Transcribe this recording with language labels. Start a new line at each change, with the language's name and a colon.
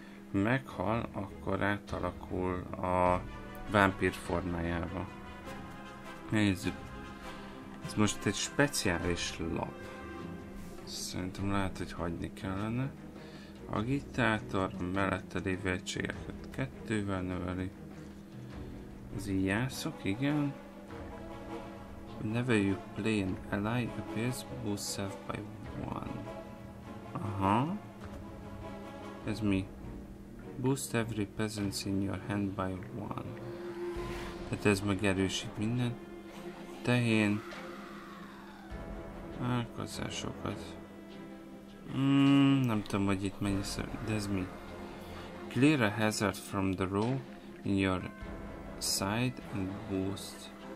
Hungarian: Meghal, akkor átalakul a vámpír formájába. Nézzük. Ez most egy speciális lap. Szerintem lehet, hogy hagyni kellene. Agitátor, a mellette lévő egységeket kettővel növeli. Az íjászok, igen.
English: Never you play an ally appears boosted by one. Aha.
Hungarian: Ez mi?
English: Boost every presence in your hand by one.
Hungarian: Tehát ez megerősít minden. Tehén. Álkozásokat. Nem tudom, hogy itt mennyi szó. De ez mi?
English: Clear a hazard from the row in your side and boost.